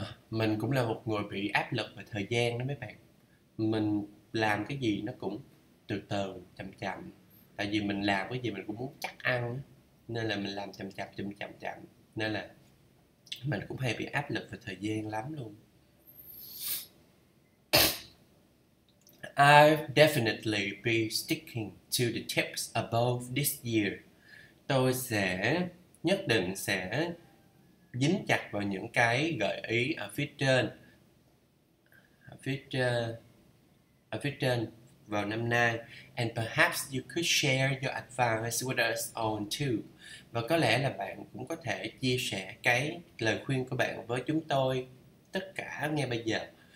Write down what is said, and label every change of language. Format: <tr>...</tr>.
<vi>Mình cũng là một người bị áp lực về thời gian đó mấy bạn. Mình làm cái gì nó cũng từ từ, chậm chậm. Tại vì mình làm cái gì mình cũng muốn chắc ăn, nên là mình làm chậm chậm. Nên là mình cũng hay bị áp lực về thời gian lắm luôn.</vi> <en>I definitely be sticking to the tips above this year.</en> <vi>Tôi sẽ nhất định sẽ dính chặt vào những cái gợi ý ở phía trên. Ở phía trên vào năm nay.</vi> <en>And perhaps you could share your advice with us on too.</en> <vi>Và có lẽ là bạn cũng có thể chia sẻ cái lời khuyên của bạn với chúng tôi tất cả ngay bây giờ.</vi>